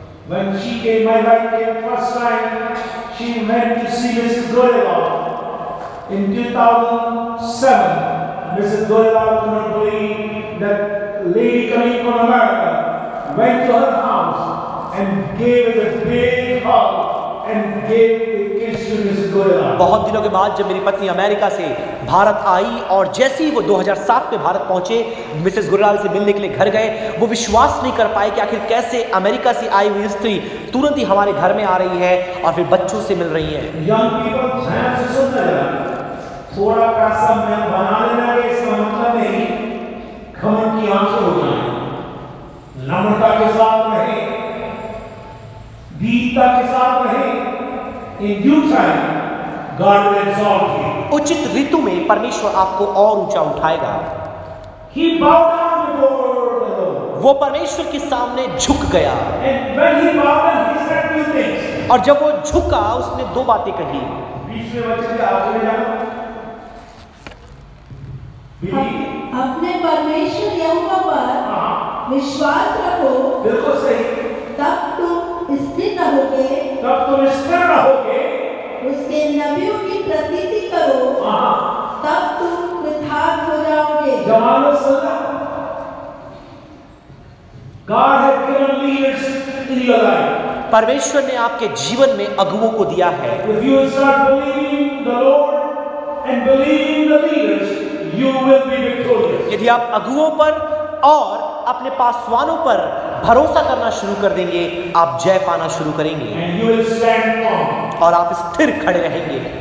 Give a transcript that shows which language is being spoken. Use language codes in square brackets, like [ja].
[en] When she came, my wife came first time, she went to see Mrs. Goyal. In 2007, Mrs. Goyal could not believe that lady coming from America went to her house and gave it a big hug and gave a kiss to Mrs. Goyal. [hi] बहुत दिनों के बाद जब मेरी पत्नी America से भारत आई और जैसे ही वो 2007 में भारत पहुंचे, मिसेस गुरलाल से मिलने के लिए घर गए, वो विश्वास नहीं कर पाए कि आखिर कैसे अमेरिका से आई हुई स्त्री तुरंत ही हमारे घर में आ रही है और फिर बच्चों से मिल रही है। [en] young people [hi] ध्यान से सुन रहे हैं, थोड़ा का समय बना लेना के इसका मतलब नहीं घमंड की आंसू हो जाए, नम्रता के साथ रहे, वीरता के साथ रहे, [en] In due time God will exalt you. [hi] उचित ऋतु में परमेश्वर आपको और ऊंचा उठाएगा। [en] He bowed down before the Lord. [hi] वो परमेश्वर के सामने झुक गया। [en] And when he bowed down, he said two things. [hi] और जब वो झुका उसने दो बातें कही। बीसवें वचन के आगे जाना। अपने परमेश्वर यहोवा पर विश्वास रखो। बिल्कुल सही। तब तुम स्थिर रहोगे। तब तुम स्थिर रहोगे। उसके नबियों की प्रतीति करो, तब तुम पृथक हो जाओगे। जमानत सुना। [en] God has given leaders in your life. [hi] परमेश्वर ने आपके जीवन में अगुओं को दिया है। [en] If you start believing the Lord and believing the leaders, you will be victorious. [hi] यदि आप अगुओं पर और अपने पासवानों पर भरोसा करना शुरू कर देंगे, आप जय पाना शुरू करेंगे और आप स्थिर खड़े रहेंगे।